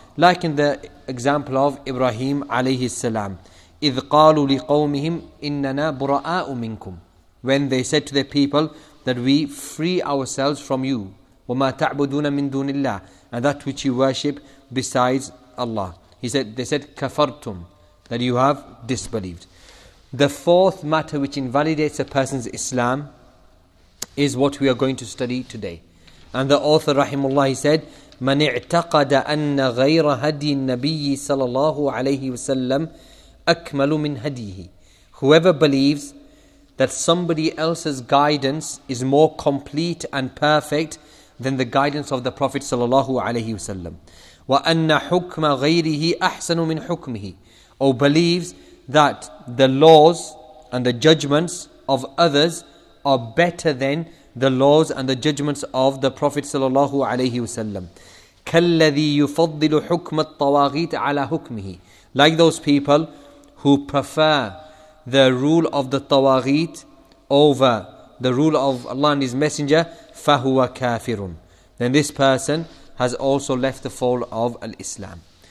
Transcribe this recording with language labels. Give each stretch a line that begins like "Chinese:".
English: Like in the example of Ibrahim alayhi salam,
Arabic: إِذْ قَالُوا لِقَوْمِهِمْ إِنَّنَا بُرَآءُ مِنْكُمْ,
English: when they said to their people that we free ourselves from you,
Arabic: وما تعبدون من دون الله,
English: and that which you worship besides Allah. He said, they said, kafartum, that you have disbelieved. The fourth matter which invalidates a person's Islam is what we are going to study today. And the author, rahimullah, he said,
Arabic: من اعتقد أن غير هدي النبي صلى الله عليه وسلم أكمل من هديه.
English: Whoever believes that somebody else's guidance is more complete and perfect than the guidance of the Prophet صلى الله عليه وسلم.
Arabic: وأن حكم غيره أحسن من حكمه.
English: Or believes that the laws and the judgments of others are better than the laws and the judgments of the Prophet صلى الله عليه وسلم.
Arabic: كالذي يفضل حكم الطواغيت على حكمه.
English: Like those people who prefer the rule of the tawaghit over the rule of Allah and His Messenger,
Arabic: فهو كافر.
English: Then this person has also left the fold of Islam.